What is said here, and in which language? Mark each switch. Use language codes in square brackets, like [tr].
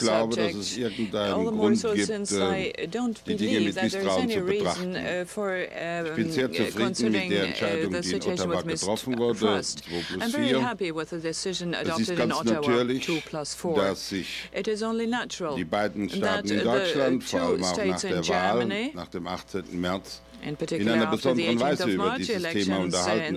[de] Glaube, dass es irgendeinen Grund gibt, die Dinge mit Misstrauen zu betrachten. Ich bin sehr zufrieden mit der Entscheidung, die in Ottawa getroffen wurde. [en] I'm very happy with the decision adopted in Ottawa 2+4. [de] Dass sich die beiden Staaten in Deutschland, vor allem auch nach der Wahl, nach dem 18. März, in einer besonderen Weise über dieses Thema unterhalten.